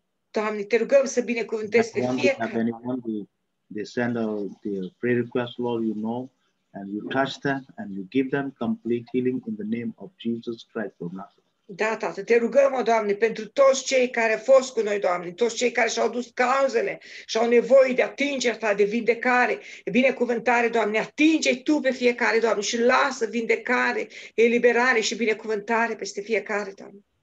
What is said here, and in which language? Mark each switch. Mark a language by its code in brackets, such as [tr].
[ro] Doamne, te rugăm să binecuvântezi pe fiecare. [en] They send their prayer request, Lord, you know, and you touch them and you give them complete healing in the name of Jesus Christ of Nazareth. [ro] Da, Tată, te rugăm, o Doamne, pentru toți cei care au fost cu noi, Doamne, toți cei care și-au dus cauzele și au nevoie de atingerea Ta, de vindecare, de binecuvântare, Doamne, atinge-i Tu pe fiecare, Doamne, și lasă vindecare, eliberare și binecuvântare peste fiecare, Doamne.